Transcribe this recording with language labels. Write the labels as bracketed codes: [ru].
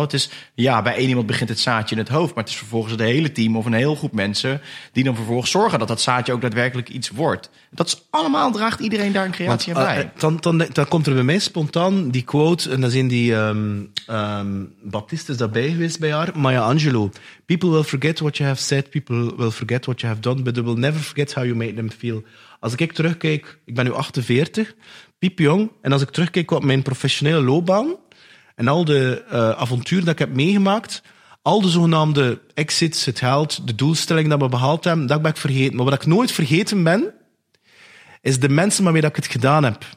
[nl] Het is, ja, bij één iemand begint het zaadje in het hoofd, maar het is vervolgens het hele team of een heel groep mensen die dan vervolgens zorgen dat zaadje ook daadwerkelijk iets wordt. Dat is allemaal, draagt iedereen daar een creatie aan bij. Dan komt er bij mij spontaan die quote, en dat is in die Baptiste is daarbij geweest bij haar, Maya Angelou. [en] People will forget what you have said, people will forget what you have done, but they will never forget how you made them feel. [nl] Als ik terugkijk, ik ben nu 48, piepjong, en als ik terugkijk op mijn professionele loopbaan en al de avonturen dat ik heb meegemaakt, al de zogenaamde exits, het geld, de doelstelling dat we behaald hebben, dat ben ik vergeten. Maar wat ik nooit vergeten ben, is de mensen waarmee ik het gedaan heb.